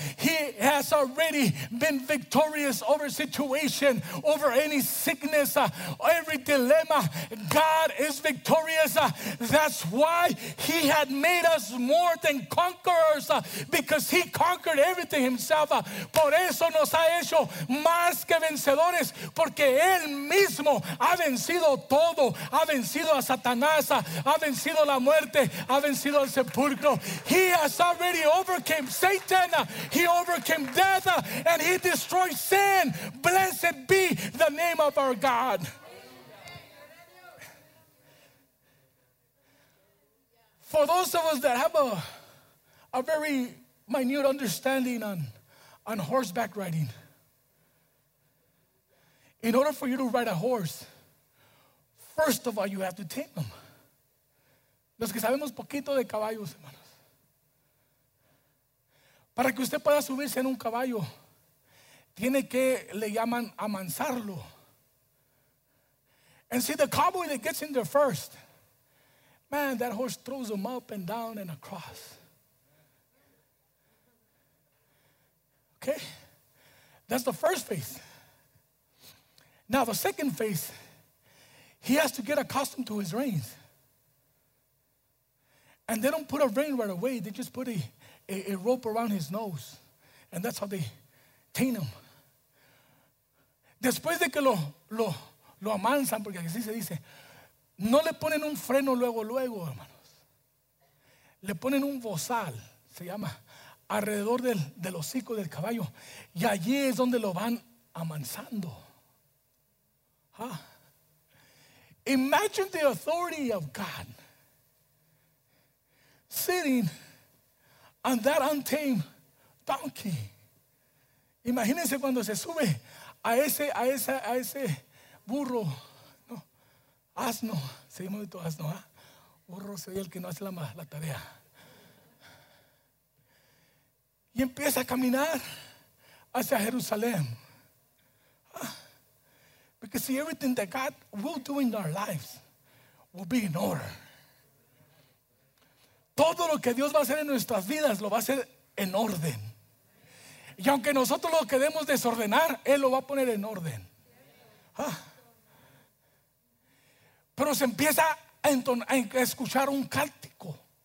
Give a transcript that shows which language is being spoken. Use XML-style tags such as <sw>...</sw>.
<en>He has already been victorious over situation, over any sickness, every dilemma. God is victorious. That's why he had made us more than conquerors, because he conquered everything himself.</en> <es>Por eso nos ha hecho más que vencedores, porque él mismo ha vencido todo, ha vencido a Satanás, ha vencido la muerte, ha vencido al sepulcro.</es> <en>He has already overcame Satan. He overcame death, and he destroyed sin. Blessed be the name of our God. For those of us that have a very minute understanding on horseback riding, in order for you to ride a horse, first of all, you have to tame them.</en> <es>Los que sabemos poquito de caballos, hermanos, para que usted pueda subirse en un caballo, tiene que, le llaman, amansarlo.</es> <en>And see, the cowboy that gets in there first, man, that horse throws him up and down and across. Okay? That's the first phase. Now, the second phase, he has to get accustomed to his reins. And they don't put a rein right away. They just put a rope around his nose. And that's how they tame him.</en> <es>Después de que lo amansan, porque así se dice, no le ponen un freno luego, hermanos. Le ponen un bozal, se llama, alrededor del hocico del caballo. Y allí es donde lo van amansando.</es> <en>Imagine the authority of God sitting on that untamed donkey.</en> <es>Imagínense cuando se sube a ese burro, no, asno, seguimos de tu asno, ¿eh? Burro sería el que no hace la tarea. Y empieza a caminar hacia Jerusalén.</es> <en>Because see, everything that God will do in our lives will be in order.</en> <es>Todo lo que Dios va a hacer en nuestras vidas lo va a hacer en orden. Y aunque nosotros lo queremos desordenar, Él lo va a poner en orden. Pero se empieza a escuchar un cántico.</es>